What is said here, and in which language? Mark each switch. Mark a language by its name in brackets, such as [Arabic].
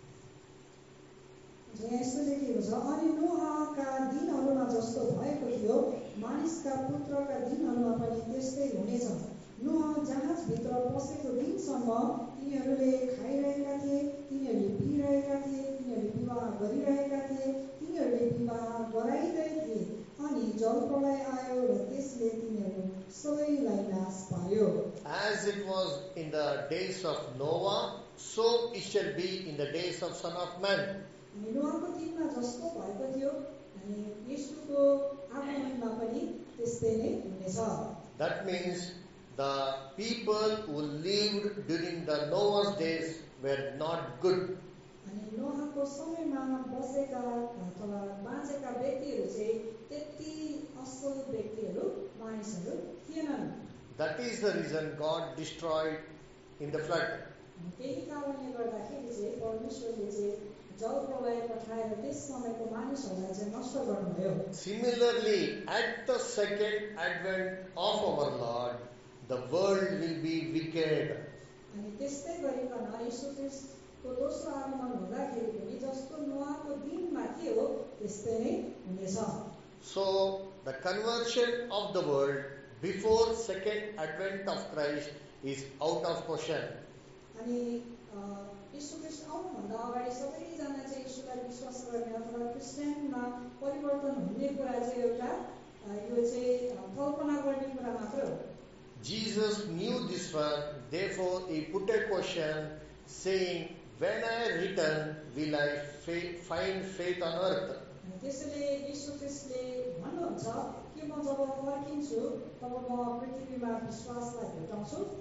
[Nepali] अनि नोहका दिनहरूमा जस्तो भएको थियो मानिसका पुत्रका दिनहरूमा पनि त्यस्तै हुनेछ नोह जहाजभित्र पसेको दिनसम्म तिनीहरूले खाइरहेका थिए तिनीहरूले पिइरहेका थिए तिनीहरूले विवाह गरिरहेका थिए तिनीहरूले विवाह गराइरहेका थिए अनि जब प्रलय आयो र त्यसले तिनीहरू सबैलाई नाश पार्यो. [English] As it was in the days of Noah, so it shall be in the days of Son of Man. [Nepali] नोहको दिनमा जस्तो भएको थियो अनि येशूको आगमनमा पनि त्यस्तै नै हुनेछ. [English] That means the people who lived during the Noah's days were not good. [Nepali] अनि नोहको समयमा बसेका अथवा बाँचेका व्यक्तिहरू चाहिँ त्यति असल व्यक्तिहरू मानिसहरू थिएनन्. [English] That is the reason God destroyed in the flood. [Nepali] त्यही कारणले गर्दाखेरि चाहिँ परमेश्वरले चाहिँ जल प्रलय पठाएर त्यस समयको मानिसहरूलाई चाहिँ नष्ट गर्नुभयो. [English] Similarly, at the second advent of our Lord, the world will be wicked. [Nepali] अनि त्यस्तै गरिकन येशु ख्रीष्टको दोस्रो आगमन हुँदाखेरि पनि जस्तो नोहको दिनमा थियो त्यस्तै नै हुनेछ. [English] So, the conversion of the world before second advent of Christ is out of question. [Nepali] अनि येशु ख्रीष्ट आउनुभन्दा अगाडि सबैजना चाहिँ येशुलाई विश्वास गर्ने अथवा क्रिस्चियनमा परिवर्तन हुने कुरा चाहिँ एउटा यो चाहिँ कल्पना गर्ने कुरा मात्र हो. [English] Jesus knew this one, therefore he put a question saying, when I return, will I find faith on earth? [Nepali] त्यसैले येशू ख्रीष्टले भन्नुहुन्छ कि म जब फर्किन्छु तब म पृथ्वीमा विश्वासलाई भेटाउँछु.